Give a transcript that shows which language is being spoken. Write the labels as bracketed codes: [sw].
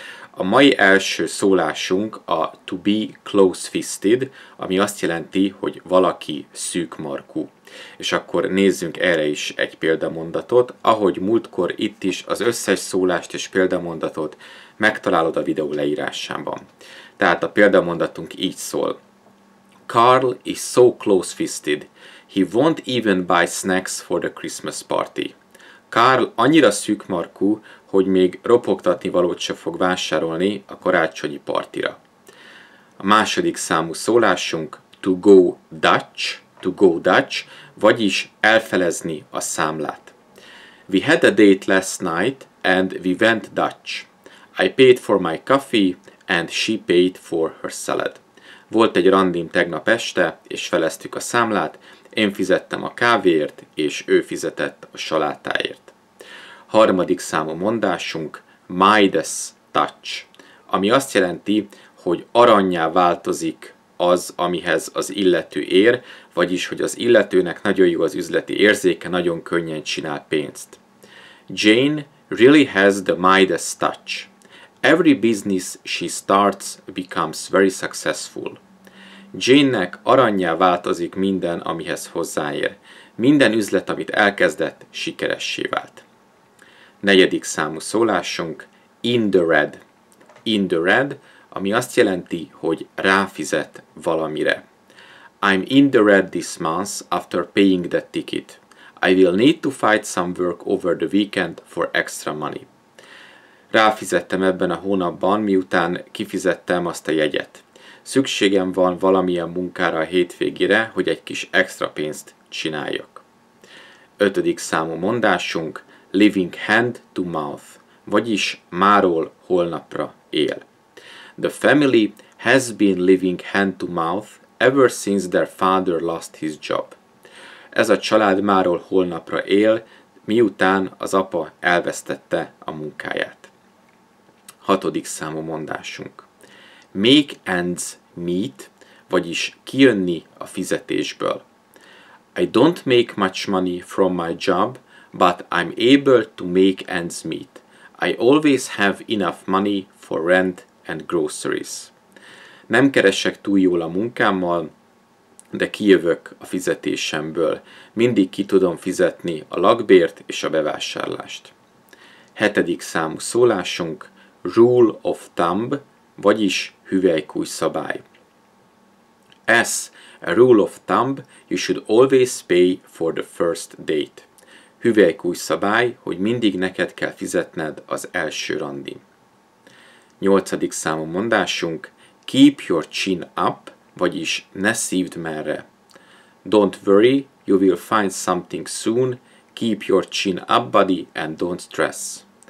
[hu] A mai első szólásunk a [en] to be close-fisted, [hu] ami azt jelenti, hogy valaki szűkmarkú. És akkor nézzünk erre is egy példamondatot. Ahogy múltkor itt is az összes szólást és példamondatot megtalálod a videó leírásában. Tehát a példamondatunk így szól. [en] Carl is so close-fisted. He won't even buy snacks for the Christmas party. [hu] Carl annyira szűkmarkú, hogy még ropogtatni valót se fog vásárolni a karácsonyi partira. A második számú szólásunk [en] to go Dutch, [hu] vagyis elfelezni a számlát. [en] We had a date last night and we went Dutch. I paid for my coffee and she paid for her salad. [hu] Volt egy randim tegnap este, és feleztük a számlát, én fizettem a kávéért, és ő fizetett a salátáért. Harmadik számú mondásunk [en] Midas touch, [hu] ami azt jelenti, hogy arannyá változik az, amihez az illető ér, vagyis, hogy az illetőnek nagyon jó az üzleti érzéke, nagyon könnyen csinál pénzt. [en] Jane really has the Midas touch. Every business she starts becomes very successful. [hu] Jane-nek arannyá változik minden, amihez hozzáér. Minden üzlet, amit elkezdett, sikeressé vált. Negyedik számú szólásunk, [en] in the red. In the red, [hu] ami azt jelenti, hogy ráfizet valamire. [en] I'm in the red this month after paying the ticket. I will need to find some work over the weekend for extra money. [hu] Ráfizettem ebben a hónapban, miután kifizettem azt a jegyet. Szükségem van valamilyen munkára a hétvégére, hogy egy kis extra pénzt csináljak. Ötödik számú mondásunk, [en] living hand to mouth, [hu] vagyis máról holnapra él. [en] The family has been living hand to mouth ever since their father lost his job. [hu] Ez a család máról holnapra él, miután az apa elvesztette a munkáját. Hatodik számú mondásunk. [en] Make ends meet, [hu] vagyis kijönni a fizetésből. [en] I don't make much money from my job, but I'm able to make ends meet. I always have enough money for rent and groceries. [hu] Nem keresek túl jól a munkámmal, de kijövök a fizetésemből. Mindig ki tudom fizetni a lakbért és a bevásárlást. Hetedik számú szólásunk, [en] rule of thumb, [hu] vagyis hüvelykúj szabály. [en] As a rule of thumb, you should always pay for the first date. [hu] Hüvelykúj szabály, hogy mindig neked kell fizetned az első randi. Nyolcadik számú mondásunk, [en] keep your chin up, [hu] vagyis ne szívd merre. [en] Don't worry, you will find something soon. Keep your chin up, buddy, and don't stress.